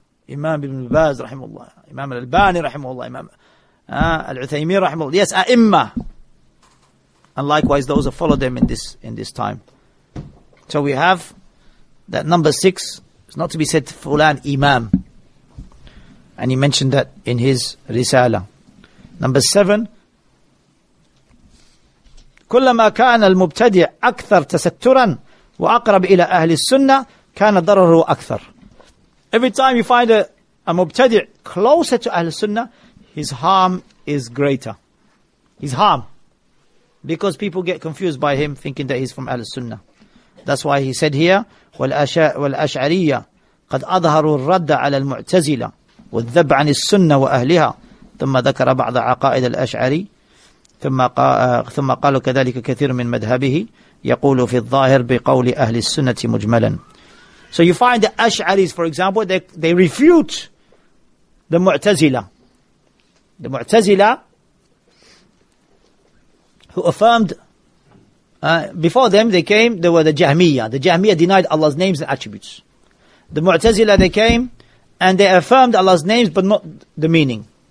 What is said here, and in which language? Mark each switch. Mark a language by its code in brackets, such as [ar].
[en] Imam ibn Baz rahimahullah, Imam al-Albani rahimahullah, Imam al-Uthaymeen rahimahullah, yes, a'immah. And likewise those who follow them in this time. So we have that number six is not to be said to Fulan Imam. And he mentioned that in his Risala. Number seven, [ar] كلما كان المبتدع أكثر تسترا وأقرب إلى أهل السنة كان ضرره أكثر. [en] Every time you find a مبتدع closer to أهل السنة, his harm is greater. His harm. Because people get confused by him thinking that he's from أهل السنة. That's why he said here, [ar] والأشعرية قد أظهروا الرد على المعتزلة والذب عن السنة وأهلها ثم ذكر بعض عقائد الأشعري ثم قال كذلك كثير من مذهبه يقول في الظاهر بقول أهل السنة مجملا. [en] So you find the Ash'aris, for example, they refute the Mu'tazila. The Mu'tazila, who affirmed before them, they came, they were the Jahmiyyah. The Jahmiyyah denied Allah's names and attributes. The Mu'tazila, they came and they affirmed Allah's names but not the meaning.